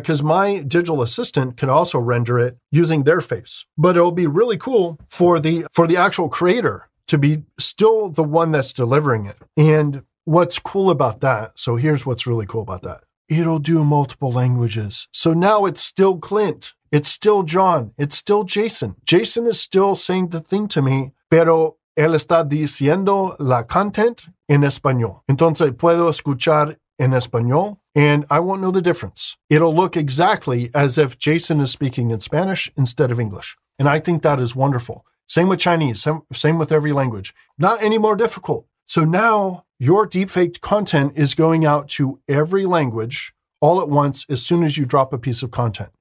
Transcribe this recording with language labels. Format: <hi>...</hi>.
<en>Because my digital assistant can also render it using their face. But it'll be really cool for the actual creator to be still the one that's delivering it. And what's cool about that, so here's what's really cool about that. It'll do multiple languages. So now it's still Clint. It's still John. It's still Jason. Jason is still saying the thing to me,</en> <es>pero él está diciendo la content en español. Entonces, puedo escuchar en español</es> <en>and I won't know the difference. It'll look exactly as if Jason is speaking in Spanish instead of English. And I think that is wonderful. Same with Chinese, same with every language. Not any more difficult. So now your deepfaked content is going out to every language all at once as soon as you drop a piece of content.</en>